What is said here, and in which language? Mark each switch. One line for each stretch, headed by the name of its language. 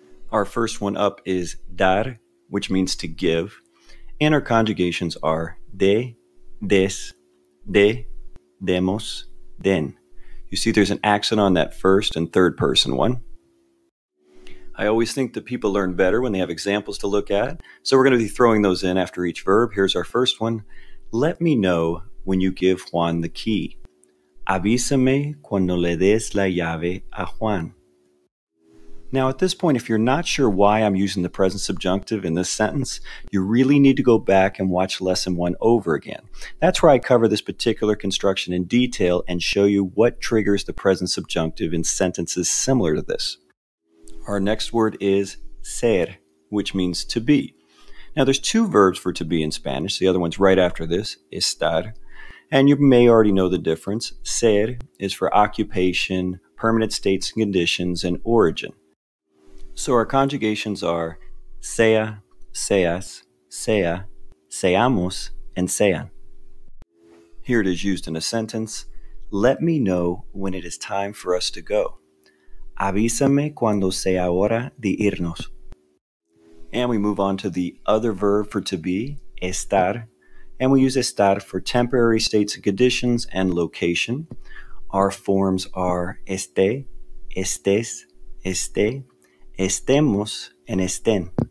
English: Our first one up is dar, which means to give, and our conjugations are de, des, de, demos, den. You see there's an accent on that first and third person one. I always think that people learn better when they have examples to look at. So we're going to be throwing those in after each verb. Here's our first one. Let me know when you give Juan the key.
Spanish: Avísame cuando le des la llave a Juan.
English: Now at this point, if you're not sure why I'm using the present subjunctive in this sentence, you really need to go back and watch lesson one over again. That's where I cover this particular construction in detail and show you what triggers the present subjunctive in sentences similar to this. Our next word is ser, which means to be. Now there's two verbs for to be in Spanish. The other one's right after this, estar. And you may already know the difference. Ser is for occupation, permanent states and conditions, and origin. So our conjugations are sea, seas, sea, seamos, and sean. Here it is used in a sentence. Let me know when it is time for us to go.
Spanish: Avísame cuando sea hora de irnos.
English: And we move on to the other verb for to be, estar. And we use estar for temporary states and conditions and location. Our forms are este, estés, esté, estemos, and estén.